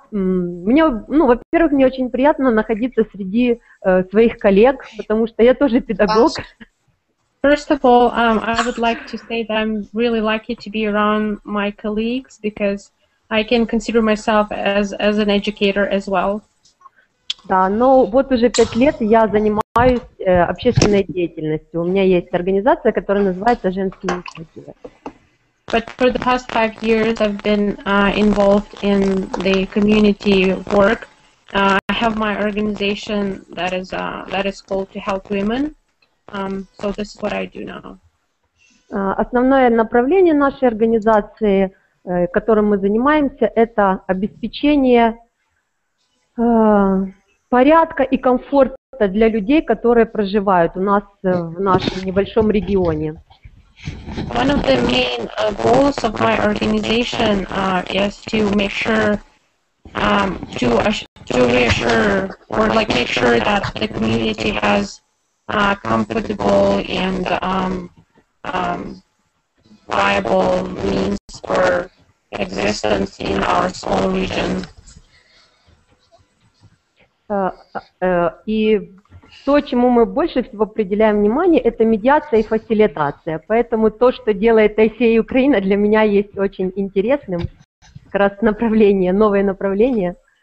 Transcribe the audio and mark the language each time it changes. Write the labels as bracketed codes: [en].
[ru] Во-первых, мне очень приятно находиться среди своих коллег, потому что я тоже педагог. [en] First of all, I would like to say that I'm really lucky to be around my colleagues because I can consider myself as an educator as well. [ru] Да, ну вот уже 5 лет я занимаюсь общественной деятельностью. У меня есть организация, которая называется «Женские инициативы». [en] But for the past 5 years, I've been involved in the community work. I have my organization that is called To Help Women. So this is what I do now. [ru] Основное направление нашей организации, которым мы занимаемся, это обеспечение порядка и комфорта для людей, которые проживают у нас в нашем небольшом регионе. [en] One of the main goals of my organization is to make sure to reassure or like make sure that the community has comfortable and viable means for existence in our small region. [ru] То, чему мы больше всего определяем внимание, это медиация и фасилитация. Поэтому то, что делает ICA Украина, для меня есть очень интересным. Как раз направление, новое направление.